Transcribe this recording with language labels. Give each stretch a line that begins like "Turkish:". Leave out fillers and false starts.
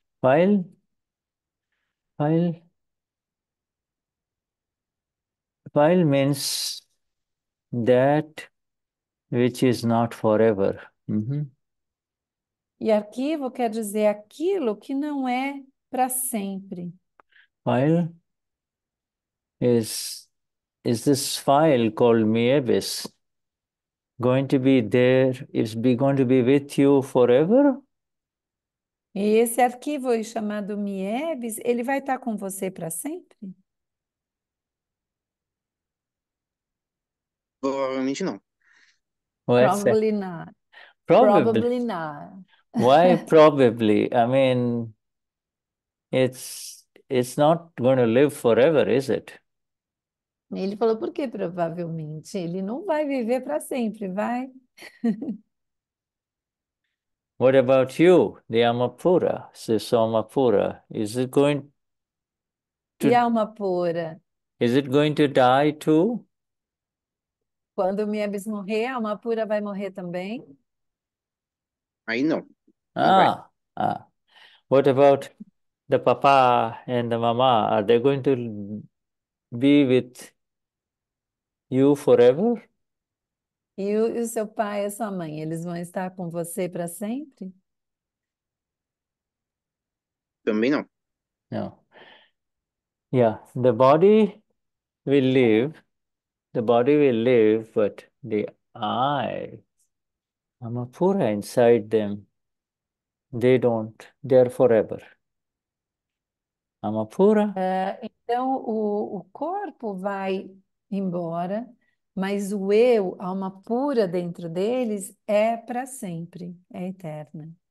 English: File? File? File means that which is not forever.
Portuguese: E arquivo quer dizer aquilo que não é para sempre.
English: File is this file called Mievis going to be there? Is be going to be with you forever?
Portuguese: E esse arquivo chamado Mievis, ele vai estar com você para sempre? Provavelmente não.
English: Well, Probably not. probably. Probably not. Why probably? I mean, it's not going to live forever, is it?
Portuguese: Ele falou, por que provavelmente? Ele não vai viver para sempre, vai?
English: What about you, the Amapura, Sisomapura?
Portuguese: E a alma pura?
English: Is it going to die too?
Portuguese: Quando o Miebis morrer, a alma pura vai morrer também? Aí não, não vai.
English: Ah. What about the papa and the mama? Are they going to be with you forever?
Portuguese: E o seu pai e a sua mãe, eles vão estar com você para sempre? Também não.
English: No. Yeah, the body will live, but the I, Amapura inside them, they don't, they are forever. Amapura.
Portuguese: Então o corpo vai embora, mas o eu, a alma pura dentro deles, é para sempre, é eterna.